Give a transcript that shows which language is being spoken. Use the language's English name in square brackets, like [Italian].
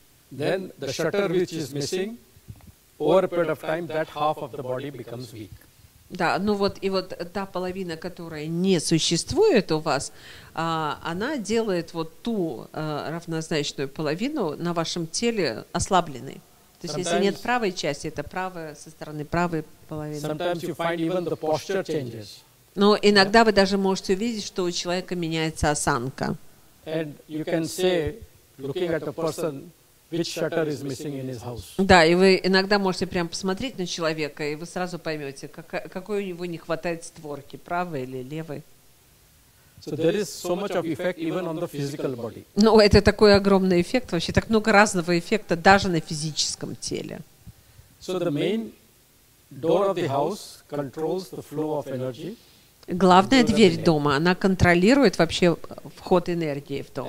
[English] Then the shutter which is missing over a period of time that half of the body becomes weak. [Russian] Да, ну вот и вот та половина, которая не существует у вас, она делает вот ту равнозначную половину на вашем теле ослабленной. То есть если нет правой части, это правая со стороны правой половины. [English] Sometimes you find even the posture changes. [Russian] Но иногда вы даже можете увидеть, что у человека меняется осанка. [English] And you can say, looking at a person, which shutter is missing in his house. [Russian] Да, и вы иногда можете прямо посмотреть на человека, и вы сразу поймете, какой у него не хватает створки, правой или левой. [English] So there is so much of effect even on the physical body. [Russian] Ну, это такой огромный эффект, вообще так много разного эффекта даже на физическом теле. [English] So the main door of the house controls the flow of energy. [Russian] Главная дверь дома, она контролирует вообще вход энергии в дом.